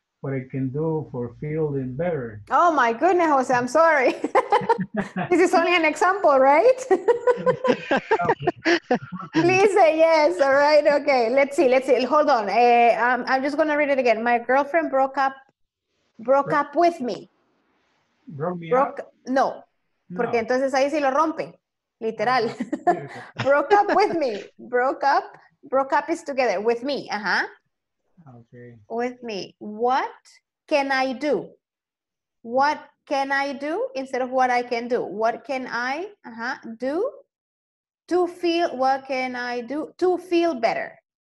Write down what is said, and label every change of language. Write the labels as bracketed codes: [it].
[en] What I can do for feeling better. Oh my goodness, Jose, I'm sorry. This is only an example, right? Please say yes, all right? Okay, let's see. Hold on, I'm just gonna read it again. My girlfriend broke up with me. Broke up? [es] No, porque entonces ahí sí lo rompe, literal. [en] Broke up with me, broke up is together, with me, ajá. Uh-huh. Okay. With me. What can I do? What can I do instead of what I can do? What can I do to feel better?